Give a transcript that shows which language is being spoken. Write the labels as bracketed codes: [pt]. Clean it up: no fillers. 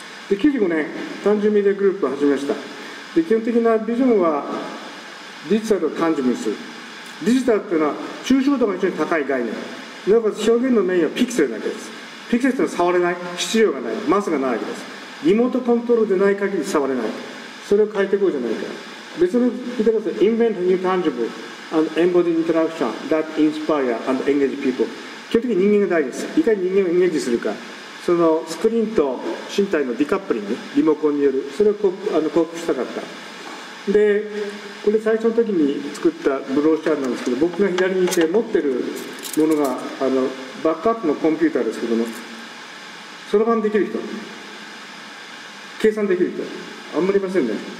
[ja] で95年タンジブルメディアグループを始めました。で基本的なビジョンはデジタルをタンジブルにする。デジタルというのは抽象度が非常に高い概念、なおかつ表現のメインはピクセルだけです。ピクセルというのは触れない、質量がない、マスがないわけです。リモートコントロールでない限り触れない、それを変えていこうじゃないか。別の言い方で [en] Invent a new tangible and embodied interaction that inspire and engage people。 [ja] 基本的に人間が大事です。いかに人間をエンゲージするか、そのスクリーンと身体のディカップリング、リモコンによる、それを克服したかった。でこれ最初の時に作ったブローチャーなんですけど、僕が左にいて持ってるものがバックアップのコンピューターですけども、そろばんできる人、計算できる人あんまりいませんね。